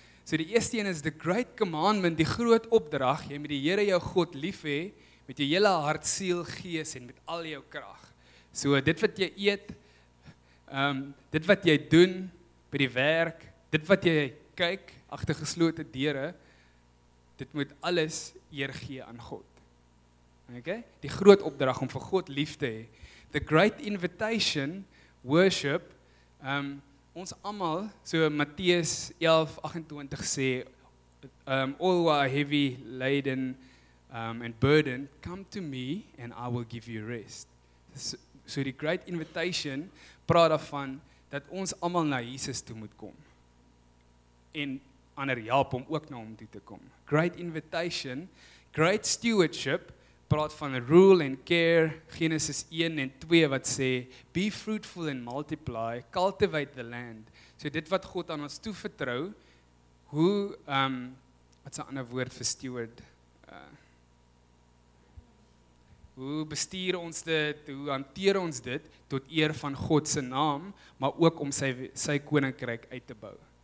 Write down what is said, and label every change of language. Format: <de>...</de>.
<af>So die eerste een is</af> <en>the great commandment,</en> <af>die groot opdrag, jy moet die Here jou God lief hê met jou hele hart, siel, gees en met al jou krag. So dit wat jy eet, dit wat jy doen by die werk, dit wat jy kyk agter geslote deure, dit moet alles eer gee aan God. Okay? Die groot opdrag om vir God lief te hê.</af> <en>The great invitation, worship,</en> <af>ons allemaal, so Matteus 11:28 sê,</af> <en>all who are heavy laden and burdened, come to me and I will give you rest.</en> <af>So die great invitation praat daarvan, dat ons allemaal na Jesus toe moet kom. En ander help om ook na hom toe te kom. Great invitation, great stewardship, praat van</af> <en>rule and care,</en> <af>Genesis 1 en 2 wat sê,</af> <en>be fruitful and multiply, cultivate the land.</en> <af>So dit wat God aan ons toevertrou, hoe, wat is 'n ander woord vir steward? Hoe bestuur ons dit, hoe hanteer ons dit, tot eer van God se naam, maar ook om sy koninkryk uit te bou.</af>